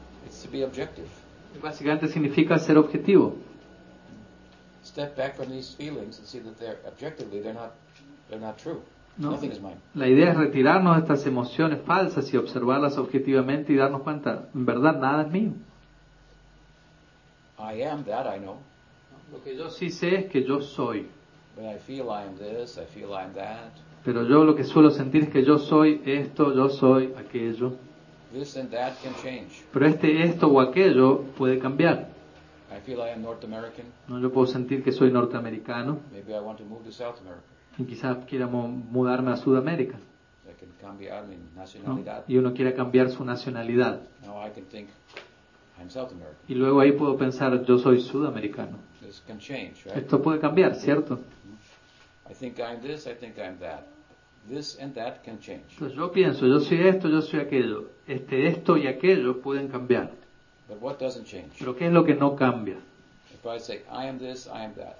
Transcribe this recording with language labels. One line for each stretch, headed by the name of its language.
English: It's to be objective.
Spanish: Y básicamente significa ser objetivo.
English: Step back from these feelings and see that they're objectively, they're not true. No. Nothing is mine.
Spanish: La idea es retirarnos de estas emociones falsas y observarlas objetivamente y darnos cuenta, en verdad, nada es mío.
English: I am that I know.
Spanish: Lo que yo sí sé es que yo soy.
English: But I feel I am this, I feel I am that.
Spanish: Pero yo lo que suelo sentir es que yo soy esto, yo soy aquello.
English: This and that can change.
Spanish: Pero esto o aquello puede cambiar.
English: I feel I am North American.
Spanish: No, yo puedo sentir que soy norteamericano.
English: Maybe I want to move to South America.
Spanish: Y quizás quiera mudarme a Sudamérica.
English: I can
Spanish: cambiar mi nacionalidad. No, y uno quiera cambiar su nacionalidad.
English: Now I can think I'm South American.
Spanish: Y luego ahí puedo pensar, yo soy sudamericano.
English: This can change, right?
Spanish: Esto puede cambiar, ¿cierto?
English: I think I'm this, I think I'm that. This and that can change.
Spanish: Entonces yo pienso, yo soy esto, yo soy aquello. Este, esto y aquello pueden cambiar.
English: But what doesn't change?
Spanish: Pero ¿qué es lo que no cambia?
English: If I say, I am this, I am that.